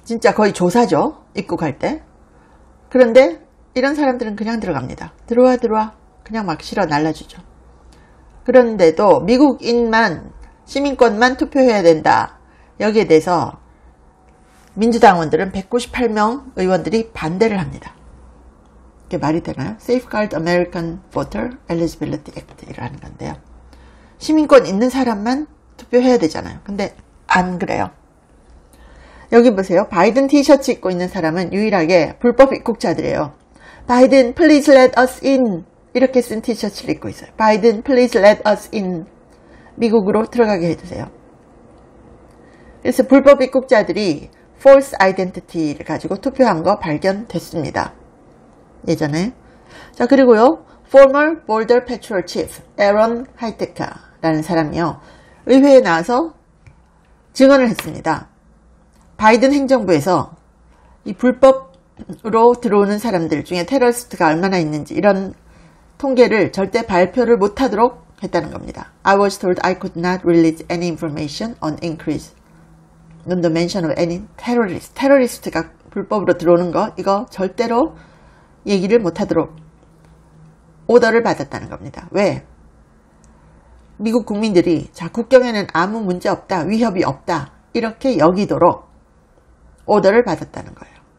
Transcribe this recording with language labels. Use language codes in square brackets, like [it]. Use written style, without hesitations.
[ko] 진짜 거의 조사죠? 입국할 때. 그런데 이런 사람들은 그냥 들어갑니다. 들어와, 들어와. 그냥 막 실어 날라주죠. 그런데도 미국인만, 시민권만 투표해야 된다. 여기에 대해서 민주당원들은 198명 의원들이 반대를 합니다. 이게 말이 되나요? [en] Safeguard American Voter Eligibility Act이라는 건데요. [ko] 시민권 있는 사람만 투표해야 되잖아요. 근데 안 그래요. 여기 보세요. 바이든 티셔츠 입고 있는 사람은 유일하게 불법 입국자들이에요. [en] 바이든, please let us in. [ko] 이렇게 쓴 티셔츠를 입고 있어요. [en] 바이든, please let us in. [ko] 미국으로 들어가게 해주세요. 그래서 불법 입국자들이 [en] false identity [ko] 를 가지고 투표한 거 발견됐습니다. 예전에. 자, 그리고요. [en] former border patrol chief, Aaron Hitecka. [ko] 라는 사람이요. 의회에 나와서 증언을 했습니다. 바이든 행정부에서 이 불법으로 들어오는 사람들 중에 테러리스트가 얼마나 있는지 이런 통계를 절대 발표를 못 하도록 했다는 겁니다. [en] I was told I could not release any information on increase in the mention of any terrorist. [ko] 테러리스트가 불법으로 들어오는 거, 이거 절대로 얘기를 못 하도록 오더를 받았다는 겁니다. 왜? 미국 국민들이, 자, 국경에는 아무 문제 없다, 위협이 없다, 이렇게 여기도록 오더를 받았다는 거예요.